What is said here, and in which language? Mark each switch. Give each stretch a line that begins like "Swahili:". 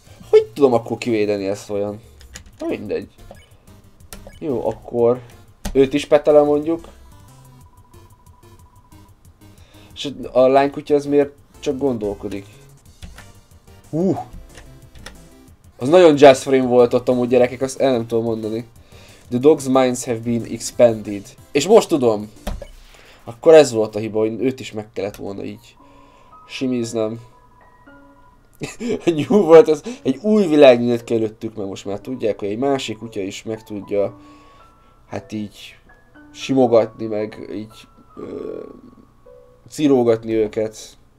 Hungarian: Hogy tudom akkor kivédeni ezt olyan? Na mindegy. Jó, akkor... Őt is petelem mondjuk. És a lánykutya az miért csak gondolkodik? Hú! Az nagyon jazz frame volt ott amúgy gyerekek, azt el nem tudom mondani.
English: The dog's minds have been expanded.
Hungarian: És most tudom! Akkor ez volt a hiba, hogy őt is meg kellett volna így... simíznem. Egy jó volt ez, egy új világ nyílt ki előttük, mert most már tudják, hogy egy másik kutya is meg tudja hát így simogatni, meg így círógatni őket.